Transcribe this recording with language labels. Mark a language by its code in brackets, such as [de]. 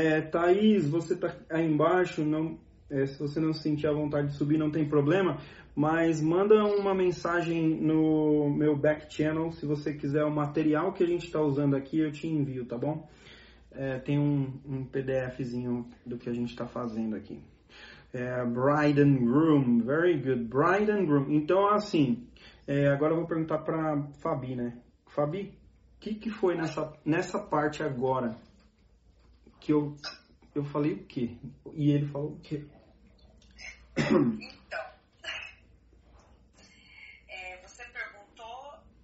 [pt] Thaís, você tá aí embaixo, não, se você não sentir a vontade de subir, não tem problema, mas manda uma mensagem no meu back channel, se você quiser o material que a gente tá usando aqui, eu te envio, tá bom? Tem um PDFzinho do que a gente tá fazendo aqui. [en] Bride and groom, very good, bride and groom. [pt] Então, assim, agora eu vou perguntar pra Fabi, né? Fabi? O que foi nessa parte agora que eu falei o quê? E ele falou o quê? Então, você perguntou...